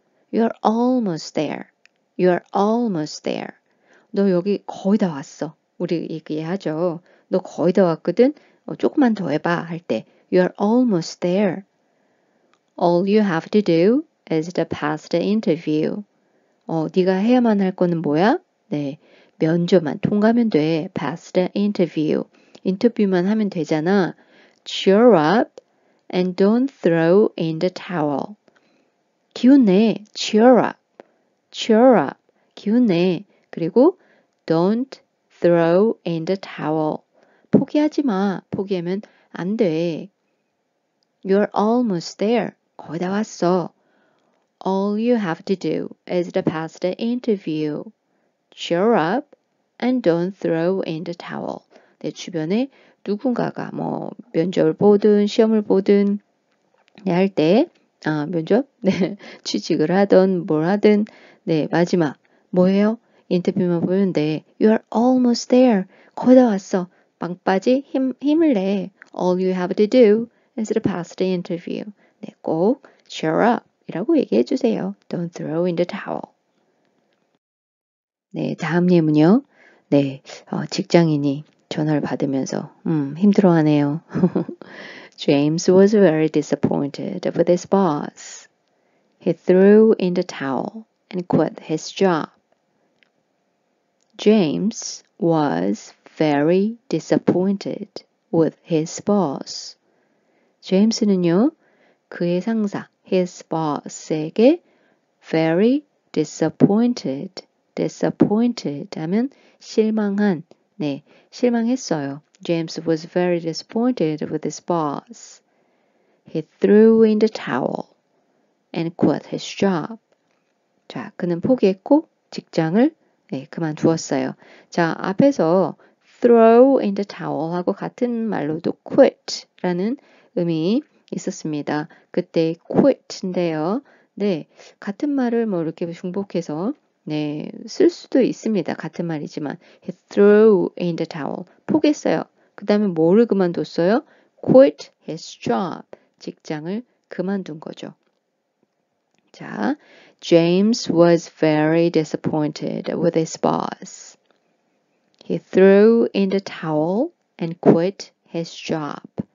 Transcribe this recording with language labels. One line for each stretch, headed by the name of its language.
English: You're almost there. You're almost there.
Korean: 너 여기 거의 다 왔어. 우리 얘기하죠. 너 거의 다 왔거든. 조금만 더 해봐 할 때.
English: You're almost there. All you have to do is to pass the interview.
Korean: 네가 해야만 할 거는 뭐야? 네, 면접만 통과하면 돼.
English: Pass the interview.
Korean: 인터뷰만 하면 되잖아.
English: Cheer up and don't throw in the towel.
Korean: 기운 내.
English: Cheer up. Cheer up.
Korean: 기운 내. 그리고
English: don't throw in the towel.
Korean: 포기하지 마. 포기하면 안 돼.
English: You're almost there.
Korean: 거의 다 왔어.
English: All you have to do is to pass the interview. Cheer up and don't throw in the towel.
Korean: 내 주변에 누군가가 뭐 면접을 보든 시험을 보든 할 때 면접? 네, 취직을 하든 뭘 하든 네, 마지막 뭐예요? 인터뷰만 보면 돼.
English: You are almost there.
Korean: 거의 다 왔어. 망빠지 힘을 내.
English: All you have to do is to pass the interview.
Korean: 네, 꼭
English: cheer up
Korean: 이라고 얘기해 주세요.
English: Don't throw in the towel.
Korean: 네, 다음 예문요. 네, 직장인이 전화를 받으면서 힘들어하네요.
English: James was very disappointed with his boss. He threw in the towel and quit his job. James was very disappointed with his boss.
Korean: James는요, 그의 상사,
English: his boss
Korean: 에게
English: very disappointed.
Korean: Disappointed 하면 실망한. 네, 실망했어요.
English: James was very disappointed with his boss. He threw in the towel and quit his job.
Korean: 자, 그는 포기했고 직장을 그만두었어요. 자, 앞에서
English: throw in the towel
Korean: 하고 같은 말로도 quit라는 의미 있었습니다. 그때 quit인데요. 네, 같은 말을 뭐 이렇게 중복해서 네, 쓸 수도 있습니다. 같은 말이지만
English: he threw in the towel.
Korean: 포기했어요. 그 다음에 뭐를 그만뒀어요?
English: quit his job.
Korean: 직장을 그만둔 거죠.
English: 자, James was very disappointed with his boss. He threw in the towel and quit his job.